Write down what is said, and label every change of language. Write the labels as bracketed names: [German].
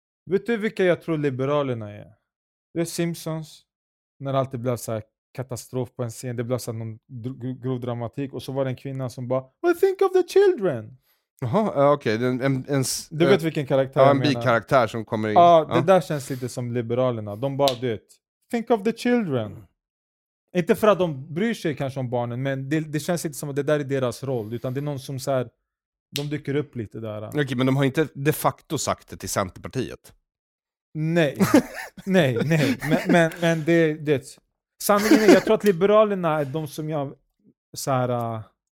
[Swedish] Vet du vilka jag tror Liberalerna är? Det är Simpsons. När det alltid blev så här katastrof på en scen. Det blev så någon grov dramatik. Och så var det en kvinna som bara, [English] I think of the children. [Swedish] Jaha, okej. Okay. Du vet vilken karaktär en bikaraktär som kommer in. Ja, det där känns lite som Liberalerna. De bara, du vet, [English] think of the children. [Swedish] Inte för att de bryr sig kanske om barnen, men det känns inte som att det där är deras roll. Utan det är någon som så här, de dyker upp lite där. Okej, okay, men de har inte de facto sagt det till Centerpartiet. Nej, nej, nej. Men det sanningen är, jag tror att Liberalerna är de som jag så här...